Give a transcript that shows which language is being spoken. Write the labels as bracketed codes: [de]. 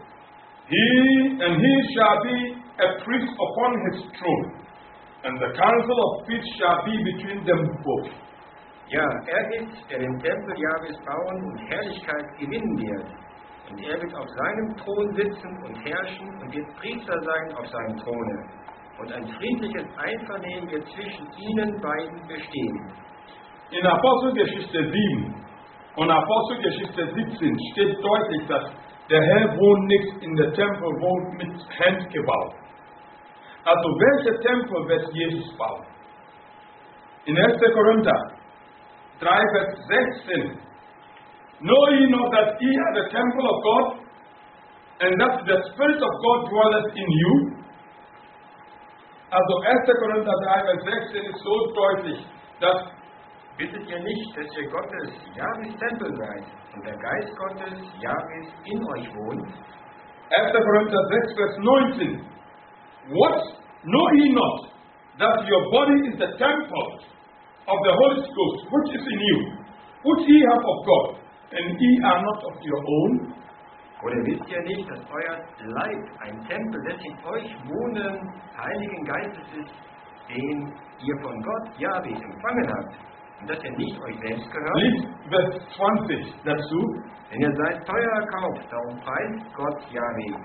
[en] He shall be a priest upon his throne, and the council of peace shall be between them both. [de] Ja, er ist, der den Tempel Jahwes bauen und Herrlichkeit gewinnen wird. Und er wird auf seinem Thron sitzen und herrschen und wird Priester sein auf seinem Throne. Und ein friedliches Einvernehmen wird zwischen ihnen beiden bestehen. In Apostelgeschichte 7 und Apostelgeschichte 17 steht deutlich, dass der Herr wohnt nicht in der Tempel, wohnt mit Hand gebaut. Also welcher Tempel wird Jesus bauen? In 1. Korinther 3, Vers 16. [en] Know ye not that ye are the temple of God, and that the Spirit of God dwelleth in you? [de] Also 1. Korinther 3, Vers 16 ist so deutlich, dass wisset ihr nicht, dass ihr Gottes Jahwes Tempel seid und der Geist Gottes Jahwes in euch wohnt? 1. Korinther 6, Vers 19. What? [en] Know ye not that your body is the temple of the Holy Ghost, which is in you, which ye have of God, and ye are not of your own? [de] Oder wisst ihr nicht, dass euer Leib ein Tempel des in euch wohnenden Heiligen Geistes ist, den ihr von Gott Jahwes empfangen habt? Und dass ihr nicht euch selbst gehört? Lied Vers 20 dazu. Denn ihr seid teuer erkauft, darum preist Gott Yahweh.